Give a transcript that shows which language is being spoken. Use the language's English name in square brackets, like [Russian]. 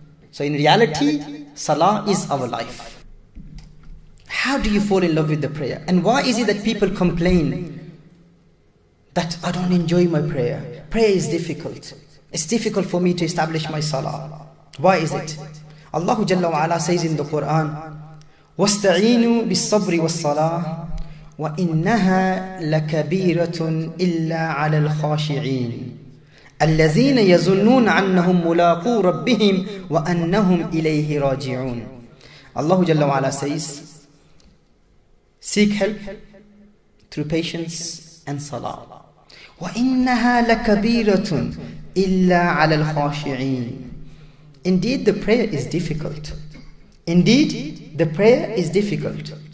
[English] So in reality, salah is our life. How do you fall in love with the prayer? And why is it that people complain that I don't enjoy my prayer? Prayer is difficult. It's difficult for me to establish my salah. Why is it? Allah Jalla wa Ala says in the Quran, [Arabic] وَاسْتَعِينُوا بِالصَّبْرِ وَالصَّلَاةِ وَإِنَّهَا لَكَبِيرَةٌ إِلَّا عَلَى الْخَاشِعِينَ الَّذِينَ يَظُنُّونَ عَنَّهُمْ مُلَاقُو رَبِّهِمْ وَأَنَّهُمْ إِلَيْهِ رَاجِعُونَ. [English] Allah Jalla wa'ala says, seek help through patience and salah. [Arabic] وَإِنَّهَا لَكَبِيرَةٌ إِلَّا عَلَى الْخَاشِعِينَ. [English] Indeed, the prayer is difficult. Indeed, the prayer is difficult.